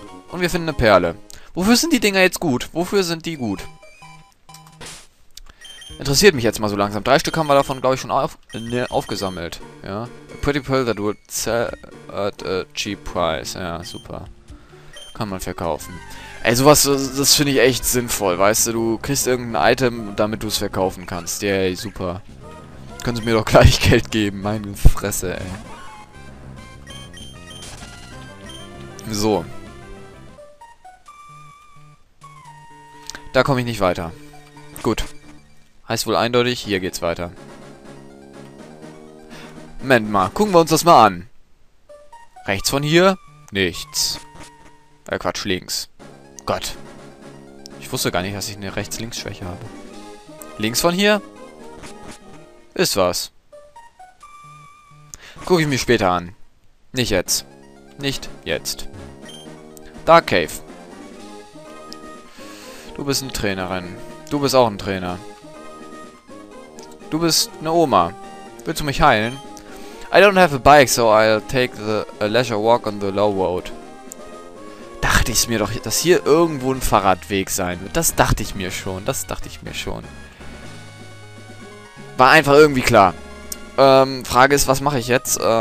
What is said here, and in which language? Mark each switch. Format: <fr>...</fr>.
<de>Und wir finden eine Perle. Wofür sind die Dinger jetzt gut? Wofür sind die gut? Interessiert mich jetzt mal so langsam. 3 Stück haben wir davon, glaube ich, schon aufgesammelt. Ja.</de> <en>A pretty pearl that would sell at a cheap price.</en> <de>Ja, super. Kann man verkaufen. Ey, sowas, das finde ich echt sinnvoll. Weißt du, du kriegst irgendein Item, damit du es verkaufen kannst. Yay, yeah, super. Können sie mir doch gleich Geld geben. Meine Fresse, ey. So. Da komme ich nicht weiter. Gut. Heißt wohl eindeutig, hier geht's weiter. Moment mal, gucken wir uns das mal an. Rechts von hier? Nichts. Quatsch, links. Gott. Ich wusste gar nicht, dass ich eine Rechts-Links-Schwäche habe. Links von hier? Ist was. Gucke ich mir später an. Nicht jetzt. Nicht jetzt. Dark Cave. Du bist eine Trainerin. Du bist auch ein Trainer. Du bist eine Oma. Willst du mich heilen?</de> <en>I don't have a bike, so I'll take a leisure walk on the low road.</en> <de>Dachte ich mir doch, dass hier irgendwo ein Fahrradweg sein wird. Das dachte ich mir schon. Das dachte ich mir schon. War einfach irgendwie klar. Frage ist, was mache ich jetzt?</de>